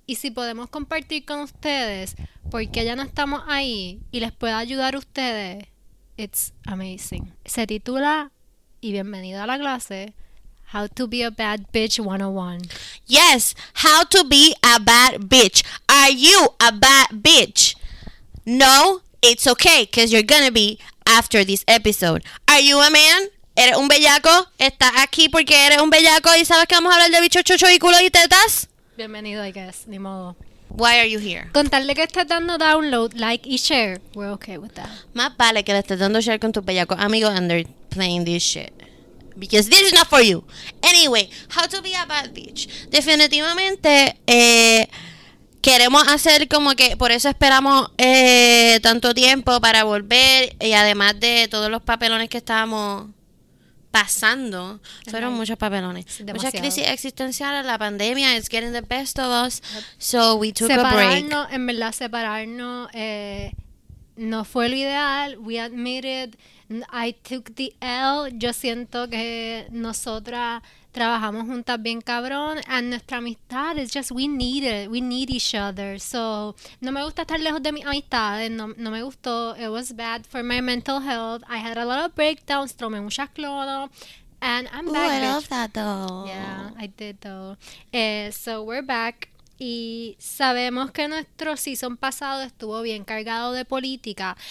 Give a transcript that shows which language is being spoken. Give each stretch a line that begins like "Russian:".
Spanish: Y si podemos compartir con ustedes por qué ya no estamos ahí y les pueda ayudar a ustedes,
English: it's amazing.
Spanish: Se titula... Y bienvenido a la clase,
English: How to be a bad bitch 101. Yes, how to be a bad bitch. Are you a bad bitch? No, it's okay, because you're going to be after this episode. Are you a man?
Spanish: ¿Eres un bellaco? ¿Estás aquí porque eres un bellaco y sabes que vamos a hablar de bichos, chochos y culos y tetas? Bienvenido,
English: I guess.
Spanish: Ni modo.
English: Why are you here?
Spanish: Con tal de que estés dando download, like y share,
English: we're okay with that.
Spanish: Más vale que le estés dando share con tus bellacos amigos
English: and they're playing this shit. Because this is not for you. Anyway, how to be a bad bitch.
Spanish: Definitivamente, queremos hacer como que, por eso esperamos tanto tiempo para volver. Y además de todos los papelones que estábamos pasando, fueron muchos papelones. Demasiado. Muchas crisis existenciales, la pandemia,
English: it's getting the best of us. So we took
Spanish: separarnos,
English: a break.
Spanish: Separarnos, en verdad, separarnos no fue lo ideal.
English: We admitted I took the L.
Spanish: Yo siento que nosotras trabajamos juntas bien cabrón.
English: And
Spanish: nuestra amistad
English: is just, we need it. We need each other.
Spanish: So, no me gusta estar lejos de mis amistades. No me gustó.
English: It was bad for my mental health. I had a lot of breakdowns.
Spanish: Tomé muchas cloro.
English: And I'm back. Ooh, I love that though. Yeah, I did though. So, we're back.
Spanish: Y sabemos que nuestro season pasado estuvo bien cargado de política.